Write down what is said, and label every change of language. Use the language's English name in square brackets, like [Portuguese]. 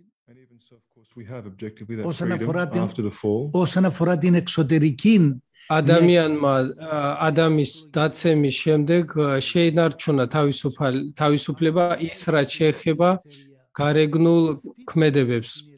[English] And even so, of course, we have objectively that freedom Adam, after the fall. [Greek] Όσον αφορά την εξωτερική, [Georgian] ადამიანმა, ადამის დაცემის შემდეგ შეინარჩუნა თავისუფლება ის რა შეეხება გარეგნულ ქმედებებს.